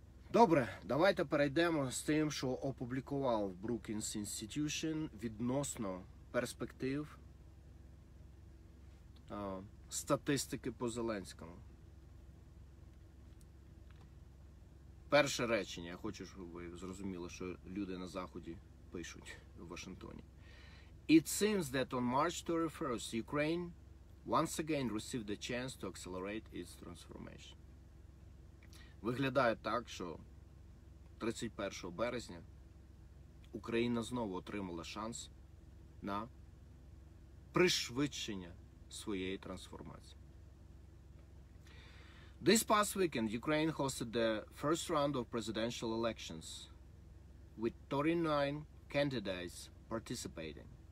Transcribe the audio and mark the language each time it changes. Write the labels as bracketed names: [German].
[Ukrainian] Добре, давайте перейдемо з тим, що опублікував Brookings Institution відносно перспектив статистики по Зеленському. Перше речення, я хочу, щоб ви зрозуміли, що люди на Заході пишуть в Вашингтоні. [English] It seems that on March 31st, Ukraine once again received the chance to accelerate its transformation. [Ukrainian] Виглядає так, що 31 березня Україна знову отримала шанс на пришвидшення своєї трансформації. [English] This past weekend, Ukraine hosted the first round of presidential elections with 39 candidates participating.